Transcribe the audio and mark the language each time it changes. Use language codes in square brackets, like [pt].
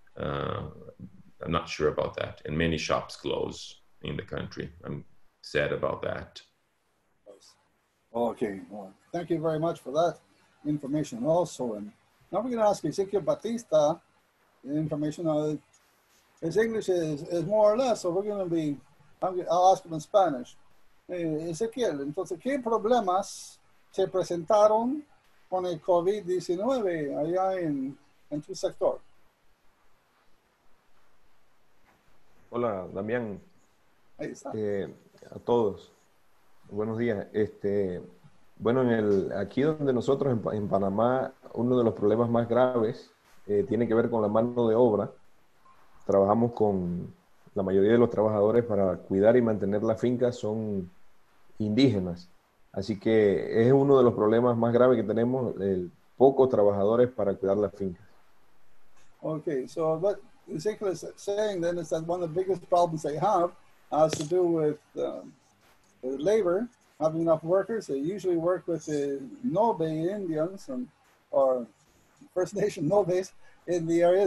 [en] I'm not sure about that. And many shops close in the country. I'm sad about that. Okay, well, thank you very much for that information also. And now we're going to ask Ezequiel Batista information. His English is more or less, so we're going to be, I'll ask him in Spanish. [es] Ezequiel, entonces, ¿qué problemas se presentaron con el COVID-19 allá en tu sector? Hola, Damián. Ahí está. A todos. Buenos días. Bueno, aquí donde nosotros en Panamá, uno de los problemas más graves tiene que ver con la mano de obra. Trabajamos con la mayoría de los trabajadores para cuidar y mantener la finca son indígenas. Así que es uno de los problemas más graves que tenemos, pocos trabajadores para cuidar las fincas. [en] Okay, so what Ezequiel is saying then is that one of the biggest problems they have has to do with labor. Having enough workers, they usually work with the Nobe Indians or First Nation Nobes in the area.